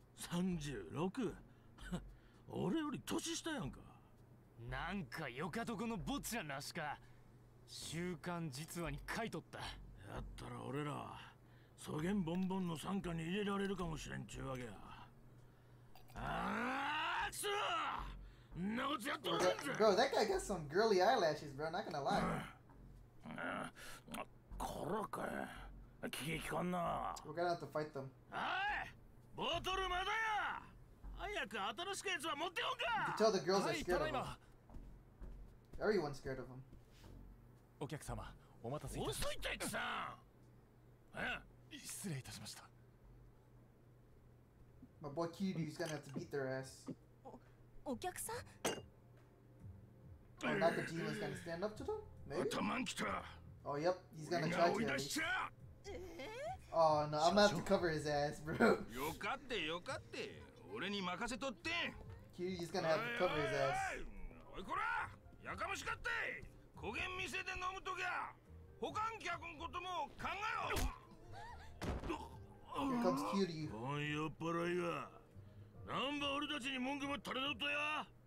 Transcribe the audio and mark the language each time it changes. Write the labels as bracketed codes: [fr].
[ja] 36? 俺より年下やんか。なんかよかとこの坊ちゃんらしか。週刊実話に書いとった。やったら俺らそげんボンボンの傘下に入れられるかもしれんちゅうわけや。ああくそ、なこつやっとるんじゃ。 [en] bro, that guy got some girly eyelashes, bro, not gonna lie. [ja] あ、こらかい、聞き聞かんな。 [en] we're gonna have to fight them. [ja] はい、ボトルまだや。早く新しくやつは持っておんか。 [en] you can tell the girls are scared of him. Everyone's scared of him. [ja] お客様、お待たせいたしました。遅いってやつさん。失礼いたしました。 [en] my boy Kiryu is gonna have to beat their ass. [ja] お客さん。 [en] oh, Nakajima is gonna stand up to them? Maybe? [ja] 頭んきた。 [en] oh, yep, he's gonna try to at least. Oh, no, I'm gonna have to cover his ass, bro. [ja] よかってよかって、俺に任せとって。 [en] Kiryu is gonna have to cover his ass. [ja] おいこら、やかましかって。こげん店で飲むときは保管客のことも考えろ。 [en] Here comes Kiryu. [ja] おい、酔っ払いが、なんば俺たちに文句も垂れとったや。